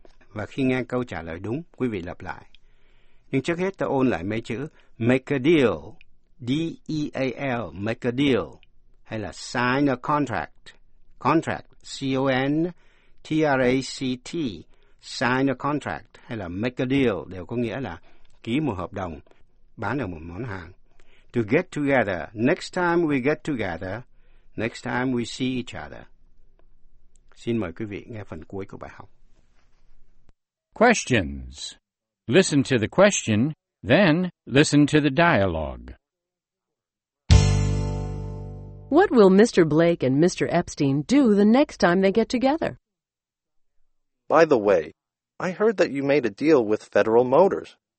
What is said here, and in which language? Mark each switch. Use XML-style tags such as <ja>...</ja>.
<vi>Và khi nghe câu trả lời đúng, quý vị lặp lại. Nhưng trước hết ta ôn lại mấy chữ</vi> <en>make a deal,</en> <vi>D-E-A-L, make a deal, hay là</vi> <en>sign a contract,</en> <vi>contract, C-O-N-T-R-A-C-T, sign a contract, hay là make a deal, đều có nghĩa là ký một hợp đồng, bán được một món hàng.</vi> <en>To get together, next time we get together, next time we see each other.</en> <vi>Xin mời quý vị nghe phần cuối của bài học.</vi> <en>Questions. Listen to the question, then listen to the dialogue. What will Mr. Blake and Mr. Epstein do the next time they get together? By the way, I heard that you made a deal with Federal Motors.</en>